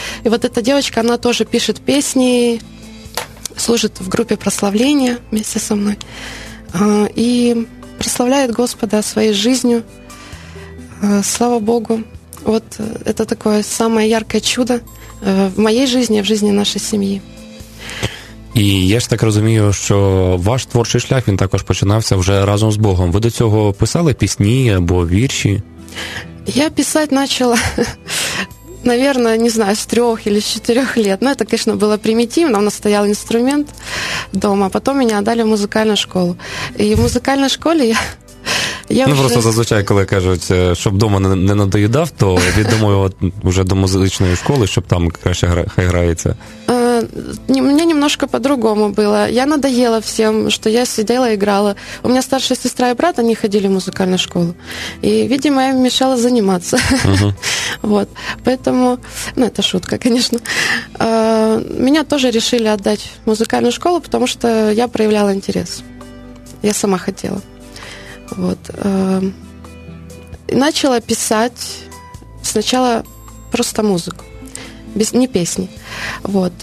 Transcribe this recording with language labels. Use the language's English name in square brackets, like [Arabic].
[Russian] И вот эта девочка, она тоже пишет песни, служит в группе прославления вместе со мной. И прославляет Господа своей жизнью. Слава Богу. Вот это такое самое яркое чудо в моей жизни, в жизни нашей семьи. [Ukrainian] І я ж так розумію, що ваш творчий шлях, він також починався вже разом з Богом. Ви до цього писали пісні або вірші? Я писати почала, [Russian] наверное, [Ukrainian] не знаю, з 3 [Russian] или 4 лет. [Ukrainian] Ну, це, звісно, було примітивно, у нас стояв інструмент вдома, а потім мене віддали в музикальну школу. І в музикальній школі я... Ну, просто зазвичай, коли кажуть, щоб вдома не надоїдав, то відомо вже до музичної школи, щоб там краще хай грається. У мене [Russian] немножко по-другому [Ukrainian] було. Я [Russian] надоела [Ukrainian] всім, що я сиділа і грала. У мене старша сестра і брат, вони ходили в музикальну школу. І, [Russian] видимо, [Ukrainian] я їм мішала займатися. [Russian] Вот. Поэтому, ну, это шутка, конечно. Меня тоже решили отдать в музыкальную школу, потому что я проявляла интерес. Я сама хотела. Вот. Начала писать сначала просто музыку, без, не песни. Вот.